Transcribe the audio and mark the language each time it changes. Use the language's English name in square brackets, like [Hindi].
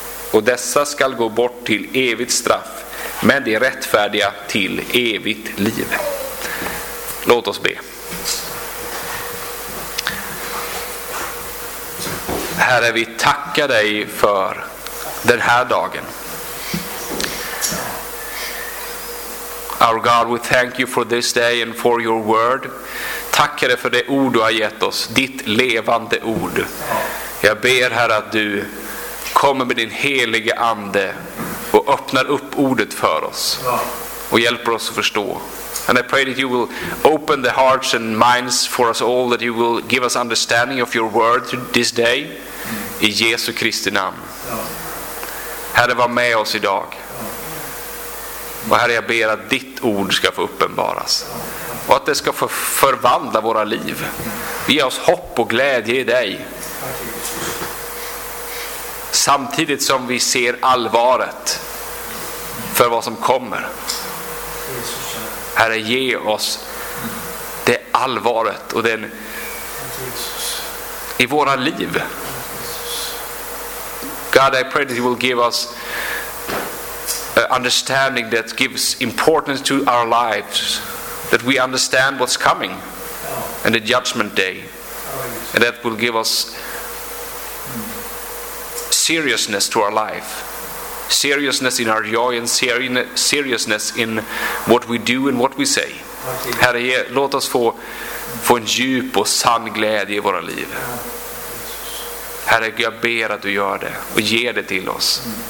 [Swedish] Och dessa ska gå bort till evigt straff, men de rättfärdiga till evigt liv. Låt oss be. Herre, vi tackar dig för den här dagen. [English] Our God, we thank you for this day and for your word. [Swedish] Tackar dig för det ord du har gett oss, ditt levande ord. Jag ber här att du kommer med din heliga ande och öppnar upp ordet för oss och hjälper oss att förstå. [English] And I pray that you will open the hearts and minds for us all, that you will give us understanding of your word this day, [Swedish] i Jesu Kristi namn. Herre, var med oss idag. Och Herre, jag ber att ditt ord ska få uppenbaras och att det ska få förvandla våra liv. Ge oss hopp och glädje i dig, samtidigt som vi ser allvaret för vad som kommer. Herre, ge oss det allvaret och den i våra liv. [English] God, I pray that you will give us understanding that gives importance to our lives, that we understand what's coming and the judgment day, and that will give us seriousness to our life, seriousness in our joy, and seriousness in what we do and what we say. [Swedish] Herre, låt oss få en djup och sann glädje i våra liv. Herre, jag ber att du gör det och ger det till oss.